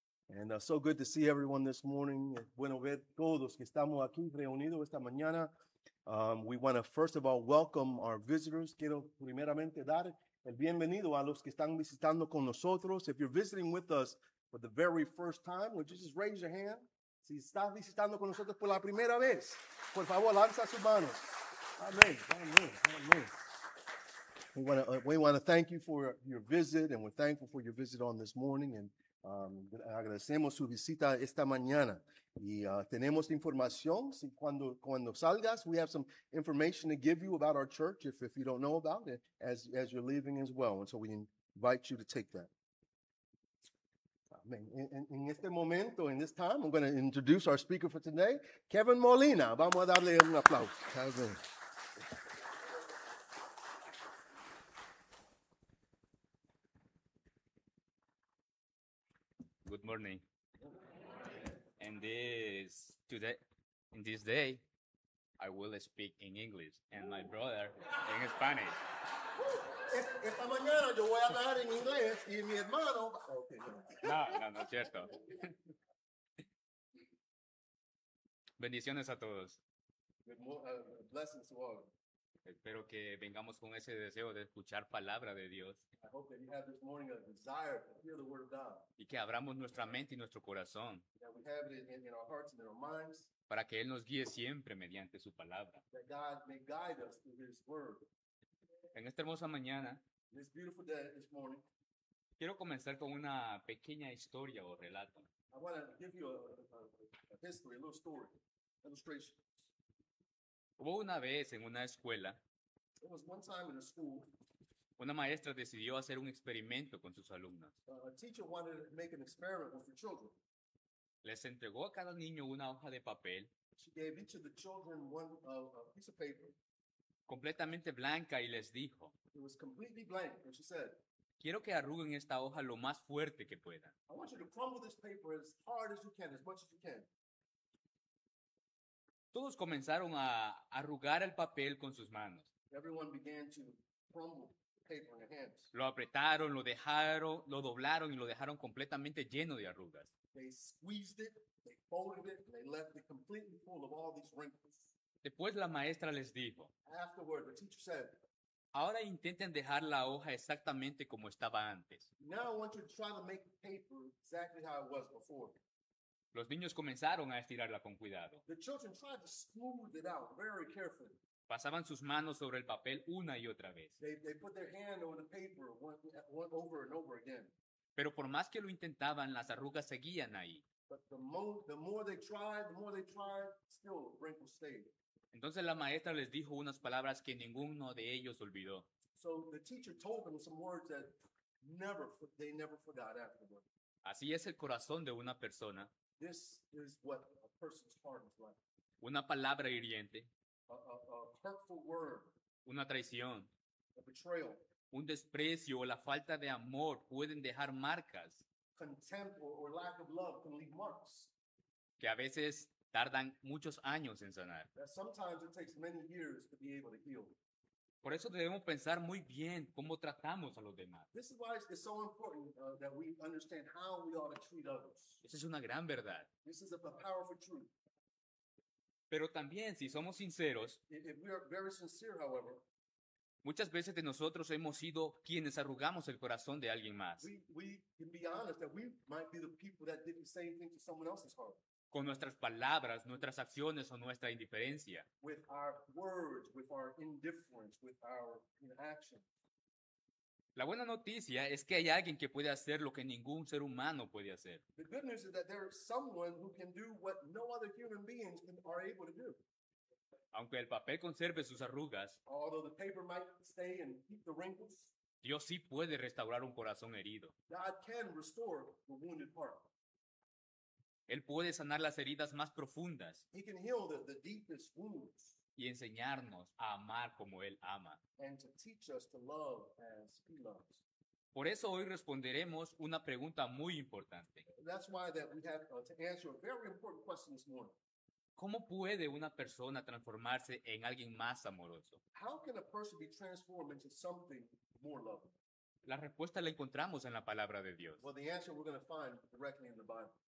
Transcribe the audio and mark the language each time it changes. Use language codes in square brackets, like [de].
[en] And so good to see everyone this morning. [es] Bueno ver todos que estamos aquí reunidos esta mañana. [en] We want to first of all welcome our visitors. [es] Quiero primeramente dar el bienvenido a los que están visitando con nosotros. [en] If you're visiting with us for the very first time, would you just raise your hand? [es] Si estás visitando con nosotros por la primera vez, por favor, lanza sus manos. Amén, amén, amén. [en] We want to thank you for your visit, and we're thankful for your visit on this morning. [es] And agradecemos su visita esta mañana. Y tenemos información. Si cuando salgas, [en] we have some information to give you about our church, if you don't know about it, as you're leaving as well. And so we invite you to take that. Amen. [es] En este momento, [en] in this time, I'm going to introduce our speaker for today, Kevin Molina. [es] Vamos a darle un aplauso. Kevin. [en] Good morning. And this today, in this day, I will speak in English and my brother in Spanish. [es] Esta mañana yo voy a hablar en inglés y mi hermano. No, es cierto. Bendiciones a todos. [en] Blessings to all. [es] Espero que vengamos con ese deseo de escuchar palabra de Dios. [en] I hope that you have this morning a desire to hear the word of God. [es] Y que abramos nuestra mente y nuestro corazón. [en] That we have it in our hearts and in our minds. [es] Para que Él nos guíe siempre mediante su palabra. [en] That God may guide us through His word. [es] En esta hermosa mañana, [en] this beautiful day, this morning, [es] quiero comenzar con una pequeña historia o relato. [en] I want to give you a history, a little story, illustration. [es] Hubo una vez en una escuela, [en] it was one time in a school, [es] una maestra decidió hacer un experimento con sus alumnos. [en] A teacher wanted to make an experiment with her children. [es] Les entregó a cada niño una hoja de papel, [en] she gave each of the children one, a piece of paper, [es] completamente blanca, y les dijo, [en] it was completely blank, and she said, [es] quiero que arruguen esta hoja lo más fuerte que puedan. [en] I want you to crumble this paper as hard as you can, as much as you can. [es] Todos comenzaron a arrugar el papel con sus manos. [en] Everyone began to crumble the paper in their hands. [es] Lo apretaron, lo dejaron, lo doblaron y lo dejaron completamente lleno de arrugas. [en] They squeezed it, they folded it, and they left it completely full of all these wrinkles. [es] Después la maestra les dijo, [en] afterward, the teacher said, [es] ahora intenten dejar la hoja exactamente como estaba antes. [en] Now I want you to try to make the paper exactly how it was before. [es] Los niños comenzaron a estirarla con cuidado. [en] The children tried to smooth it out very carefully. [es] Pasaban sus manos sobre el papel una y otra vez. [en] They put their hand over the paper one over and over again. [es] Pero por más que lo intentaban, las arrugas seguían ahí. [en] But the more they tried, the more they tried, still wrinkles stayed. [es] Entonces la maestra les dijo unas palabras que ninguno de ellos olvidó. [en] So the teacher told them some words that they never forgot afterward. [es] Así es el corazón de una persona. [en] This is what a person's heart is like. [es] Una palabra hiriente. [en] A hurtful word. [es] Una traición. [en] A betrayal. [es] Un desprecio o la falta de amor pueden dejar marcas. [en] Contempt or lack of love can leave marks. [es] Que a veces tardan muchos años en sanar. [en] That sometimes it takes many years to be able to heal. [es] Por eso debemos pensar muy bien cómo tratamos a los demás. [en] This is why it's so important that we understand how we ought to treat others. [es] Esa es una gran verdad. [en] This is a powerful truth. [es] Pero también, si somos sinceros, [en] if we are very sincere, however, [es] muchas veces de nosotros hemos sido quienes arrugamos el corazón de alguien más. [en] We can be honest that we might be the people that did the same thing to someone else's heart. [es] Con nuestras palabras, nuestras acciones o nuestra indiferencia. [en] With our words, with our indifference, with our inaction. [es] La buena noticia es que hay alguien que puede hacer lo que ningún ser humano puede hacer. [en] The good news is that there is someone who can do what no other human beings are able to do. [es] Aunque el papel conserve sus arrugas, [en] although the paper might stay and keep the wrinkles, [es] Dios sí puede restaurar un corazón herido. [en] God can restore the wounded heart. [es] Él puede sanar las heridas más profundas. [en] He can heal the deepest wounds. [es] Y enseñarnos a amar como Él ama. [en] And to teach us to love as He loves. [es] Por eso hoy responderemos una pregunta muy importante. [en] That's why that we have to answer a very important question this morning. [es] ¿Cómo puede una persona transformarse en alguien más amoroso? [en] How can a person be transformed into something more loving? [es] La respuesta la encontramos en la palabra de Dios. [en] Well, the answer we're going to find directly in the Bible.